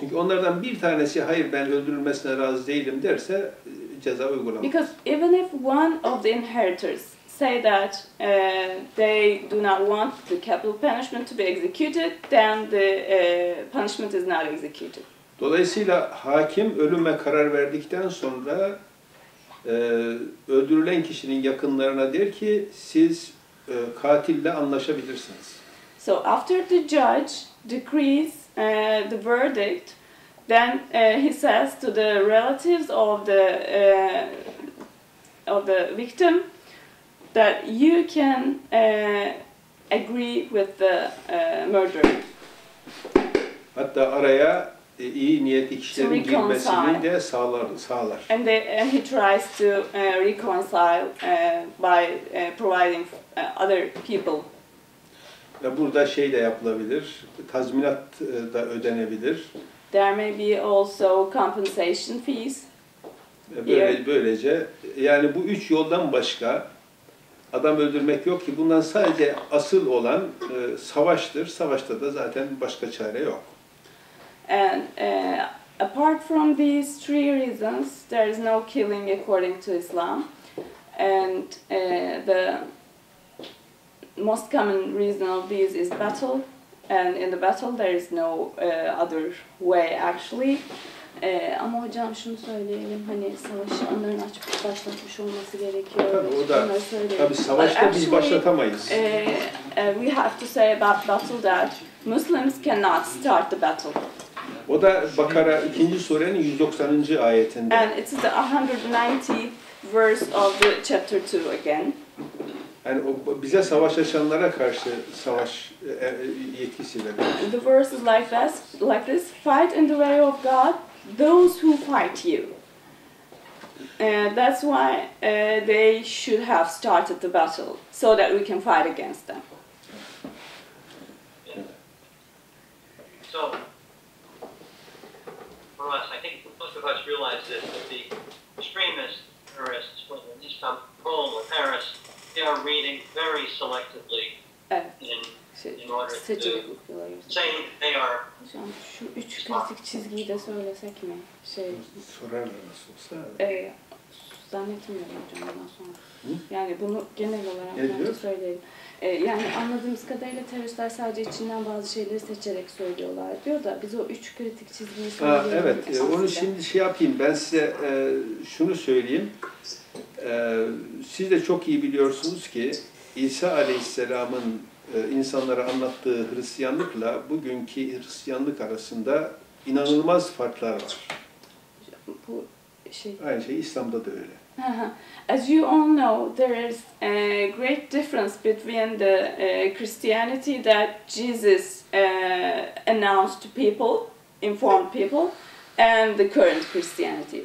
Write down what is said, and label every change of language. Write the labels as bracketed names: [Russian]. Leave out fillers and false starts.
[Turkish] Çünkü onlardan bir tanesi hayır ben öldürülmesine razı değilim derse ceza uygulanmaz. [English] Because even if one of the inheritors say that they do not want the capital punishment to be executed, then the punishment is not executed. [Turkish] Dolayısıyla hakim ölüme karar verdikten sonra öldürülen kişinin yakınlarına der ki siz katille anlaşabilirsiniz. [English] So after the judge decrees the verdict, then he says to the relatives of the victim that you can agree with the murderer. [Turkish] Hatta araya iyi niyetli kişilerin girmesini de sağlar. [English] And, they, and he tries to reconcile by providing other people. [Turkish] Ve burada şey de yapılabilir, tazminat da ödenebilir. [English] There may be also compensation fees. [Turkish] Böylece yani bu üç yoldan başka adam öldürmek yok ki bundan sadece asıl olan savaştır. Savaşta da zaten başka çare yok. [English] And apart from these three reasons, there is no killing according to Islam. And the most common reason of these is battle. And in the battle, there is no other way actually. [Turkish] Ama hocam şunu söyleyelim, hani savaşı onların açıp başlatmış olması gerekiyor. Tabii savaşta biz başlatamayız. [English] We have to say about battle that Muslims cannot start the battle. [Turkish] O da Bakara 2. surenin 190. ayetinde. [English] And it is the 190th verse of the chapter 2 again. [Turkish] Yani o, bize savaş açanlara karşı savaş yetkisi verir. [English] The verse is like this, fight in the way of God those who fight you. That's why they should have started the battle so that we can fight against them. So for us, I think most of us realize this, that the extremist terrorists, whether in Istanbul or Paris, they are reading very selectively in order to say they are. [Turkish] Hocam, şu üç klasik çizgiyi de söylesek mi? Sorarlar nasıl olsa. Zannetmiyorum hocam bundan sonra. Yani bunu genel olarak söyleyelim. Yani anladığımız kadarıyla teröristler sadece içinden bazı şeyleri seçerek söylüyorlar diyor da biz o üç kritik çizgiyi söyleyelim. Evet, onu şimdi şey yapayım. Ben size şunu söyleyeyim. Siz de çok iyi biliyorsunuz ki İsa Aleyhisselam'ın insanlara anlattığı Hristiyanlıkla bugünkü Hristiyanlık arasında inanılmaz farklar var. Bu şey. Aynı şey İslam'da da öyle. [English] As you all know, there is a great difference between the Christianity that Jesus announced to people, informed people, and the current Christianity.